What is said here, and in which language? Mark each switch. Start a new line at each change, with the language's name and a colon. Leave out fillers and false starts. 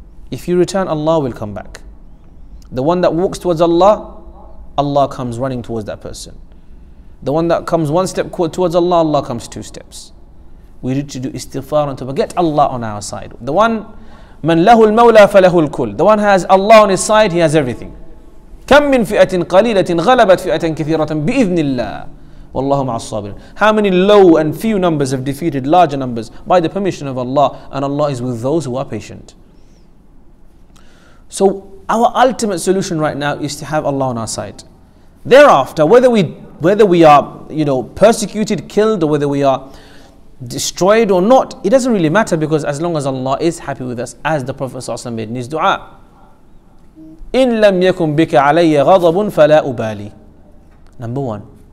English: If you return, Allah will come back. The one that walks towards Allah, Allah comes running towards that person. The one that comes one step towards Allah, Allah comes two steps. We need to do istighfar and tawbah. Get Allah on our side. The one
Arabic: من له المولى فله الكل.
English: The one has Allah on his side, he has everything.
Arabic: كم من فئة قليلة غلبت فئة كثيرة بإذن الله والله مع الصابرين.
English: How many low and few numbers have defeated larger numbers by the permission of Allah, and Allah is with those who are patient. So our ultimate solution right now is to have Allah on our side. Thereafter, whether we are, you know, persecuted, killed, or whether we are destroyed or not, it doesn't really matter, because as long as Allah is happy with us, as the Prophet ﷺ made in his dua,
Arabic: إِن لَمْ يَكُمْ بِكَ عَلَيَّ غَضَبٌ فَلَا أُبَالِي.
English: Number one.